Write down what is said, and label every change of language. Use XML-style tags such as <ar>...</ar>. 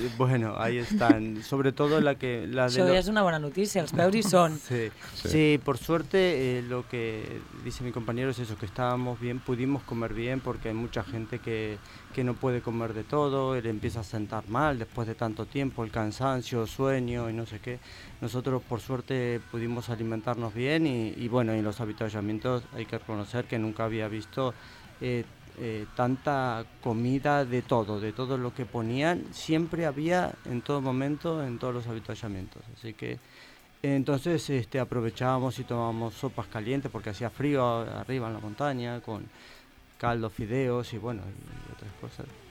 <es>Bueno, ahí están, sobre todo la que...</es> <ca>Això ja és una bona notícia, els peus hi són.</ca> <es>Sí, por suerte, lo que dice mi compañero es eso, que estábamos bien, pudimos comer bien, porque hay mucha gente que no puede comer de todo, le empieza a sentar mal después de tanto tiempo, el cansancio, sueño y no sé qué. Nosotros por suerte pudimos alimentarnos bien y bueno, en los avituallamientos hay que reconocer que nunca había visto tanta comida de todo lo que ponían, siempre había en todo momento en todos los avituallamientos, así que entonces aprovechábamos y tomábamos sopas calientes porque hacía frío arriba en la montaña, con caldo, fideos y bueno, y otras cosas.</es>